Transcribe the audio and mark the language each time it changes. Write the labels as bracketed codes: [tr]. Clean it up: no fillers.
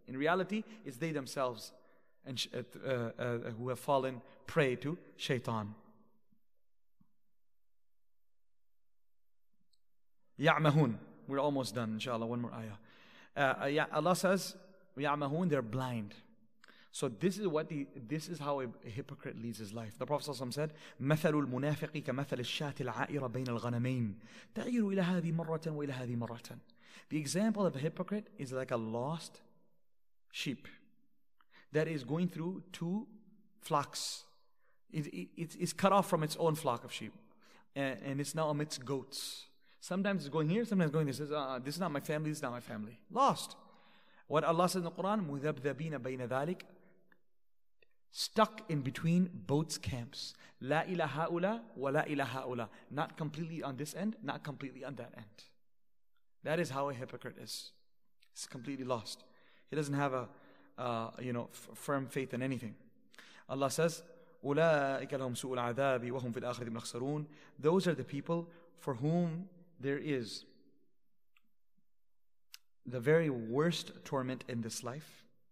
[en] In reality, it's they themselves and who have fallen prey to shaitan. Ya'mahun. We're almost done, inshallah. One more ayah. Allah says, ya'mahun, they're blind. So this is how a hypocrite leads his life. The Prophet ﷺ said, [ar] مثل المنافق كمثل الشاة العائرة بين الغنمين تغير إلى هذه مرة وإلى هذه مرة. [en] The example of a hypocrite is like a lost sheep that is going through two flocks. It's cut off from its own flock of sheep, and it's now amidst goats. Sometimes it's going here, sometimes it's going there. It says, this is not my family, this is not my family. Lost. What Allah says in the Quran, [ar] مُذَبْذَبِينَ بَيْنَ ذَلِكَ. [en] Stuck in between both camps. [ar] لا إلى هؤلاء ولا إلى هؤلاء. [en] Not completely on this end, not completely on that end. That is how a hypocrite is. He's completely lost. He doesn't have a firm faith in anything. Allah says, [ar] أُولَٰئِكَ لَهُمْ سُوءُ الْعَذَابِ وَهُمْ فِي الْآخِرَةِ مَخْسَرُونَ. [en] Those are the people for whom there is the very worst torment in this life.